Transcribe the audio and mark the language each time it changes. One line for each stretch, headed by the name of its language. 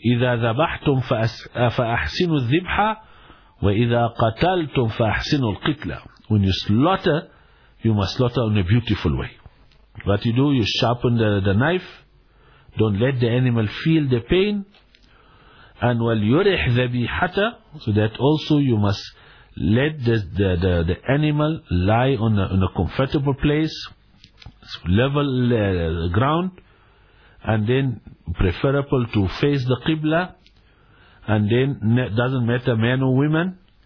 Arabic: إِذَا ذَبَحْتُمْ فَأَحْسِنُوا الذِّبْحَ وَإِذَا قَتَلْتُمْ فَأَحْسِنُوا الْقِتْلَ.
English: When you slaughter, you must slaughter in a beautiful way. What you do, you sharpen the knife. Don't let the animal feel the pain.
Arabic: And وَلْيُرِحْ ذَبِيحَتَ.
English: So that also you must let the animal lie on a comfortable place, level ground. And then preferable to face the Qibla. And then doesn't matter men or women.